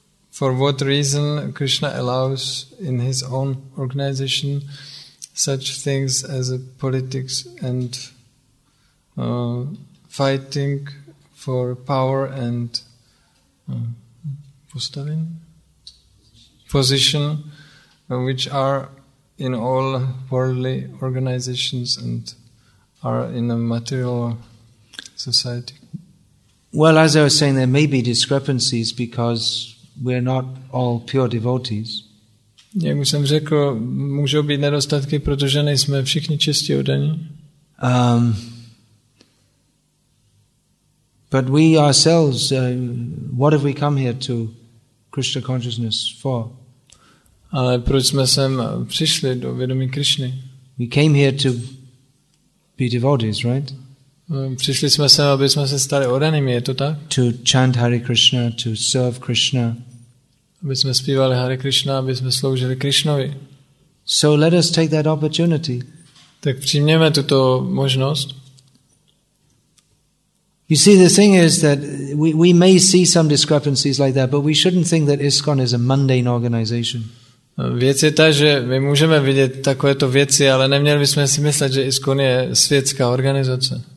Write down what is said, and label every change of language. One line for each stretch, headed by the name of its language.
English: For what reason Krishna allows in his own organization such things as politics and fighting for power and position, which are in all worldly organizations and are in a material society? Well, as I was saying, there may be discrepancies because we're not all pure devotees.
Czech: Jak už jsem řekl, můžou být nedostatky, protože nejsme všichni čistí oddaní.
English: But we ourselves, what have we come here to Krishna consciousness for?
Czech: Ale proč jsme sem přišli do vědomí Krishny?
English: We came here to be devotees, right?
Czech: Přišli jsme sem, aby jsme se stali oddanými, je to tak?
English: To chant Hare Krishna, to serve Krishna.
Czech: Aby jsme zpívali Hare Krishna, aby jsme sloužili Krishnovi.
English: So let us take that opportunity.
Czech: Tak přijměme tuto možnost.
English: You see, the thing is that we may see some discrepancies like that, but we shouldn't think that ISKCON is a mundane organization.
Czech: Věc je ta, že my můžeme vidět takovéto věci, ale neměli bychom si myslet, že ISKCON je světská organizace.